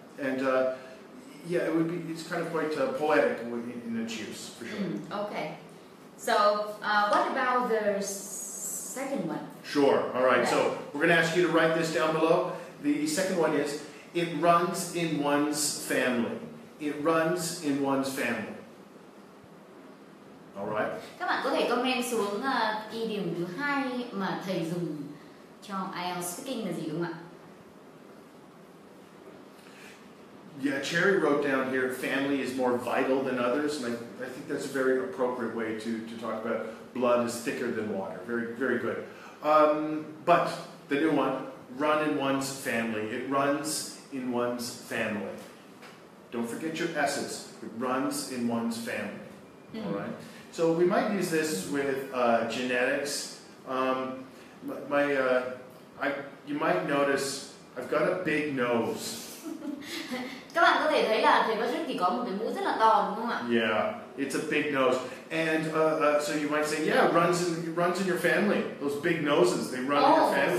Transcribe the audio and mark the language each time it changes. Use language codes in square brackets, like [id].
[en] And yeah, it would be. It's kind of quite poetic in its use, for sure. Okay. So, what about the second one? Sure. All right. Okay. So, we're going to ask you to write this down below. The second one is, it runs in one's family. It runs in one's family. All right. [vi] Các bạn có thể comment xuống idiom thứ hai mà thầy dùng cho IELTS speaking là gì đúng không ạ? [en] Yeah, Cherry wrote down here, family is more vital than others, and I think that's a very appropriate way to talk about blood is thicker than water. Very, very good. But the new one, run in one's family. It runs in one's family. Don't forget your S's. It runs in one's family. Mm-hmm. All right. So we might use this with genetics. You might notice I've got a big nose. [vi] Các bạn có thể thấy là thầy Patrick thì có một cái mũi rất là to, đúng không ạ? [en] Yeah, it's a big nose. And so you might say, yeah, runs in your family. Those big noses, they run in your family.